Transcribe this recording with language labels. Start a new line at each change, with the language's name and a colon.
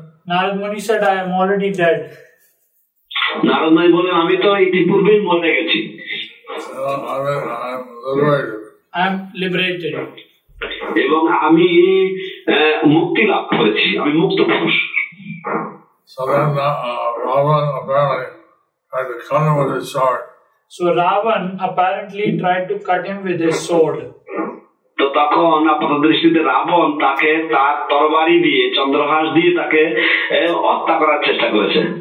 English: Narad Muni said, I am already dead.
Bangla: Narad Muni বলেন, আমি তো ইতিপূর্বেই মরে গেছি.
English: I'm liberated.
Bangla: এবং আমি মুক্তি লাভ করেছি, আমি মুক্ত পুরুষ.
English: So then Ravan apparently tried to cut him with his sword. So Ravan apparently tried to cut him with his sword.
Bangla: তো তখন আপনার দৃষ্টিতে রাবণ তাকে তার তরবারি দিয়ে চন্দ্রহাস দিয়ে তাকে হত্যা করার চেষ্টা করেছে.